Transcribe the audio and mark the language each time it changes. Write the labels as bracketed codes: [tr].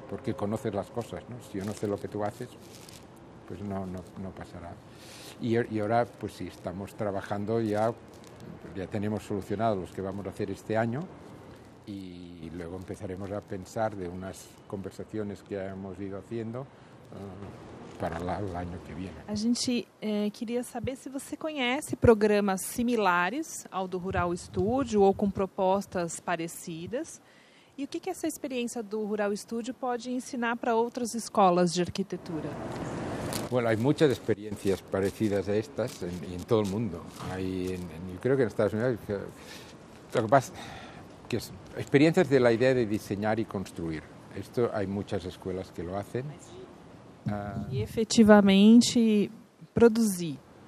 [es] Porque conoces las cosas, ¿no? Si yo no sé lo que tú haces, pues no, no, no pasará. Y ahora, pues sí, estamos trabajando ya, ya tenemos solucionados los que vamos a hacer este año y luego empezaremos a pensar de unas conversaciones que hemos ido haciendo para el año que viene. [pt] A gente quería saber si você conhece programas similares ao do Rural Studio ou com propostas parecidas e o que, que essa experiência do Rural Studio pode ensinar para outras escolas de arquitetura. [es] Bueno, hay muchas experiencias parecidas a estas en todo el mundo. Hay, yo creo que en Estados Unidos, lo que pasa que es experiencias de la idea de diseñar y construir. Esto hay muchas escuelas que lo hacen. Y efectivamente producir.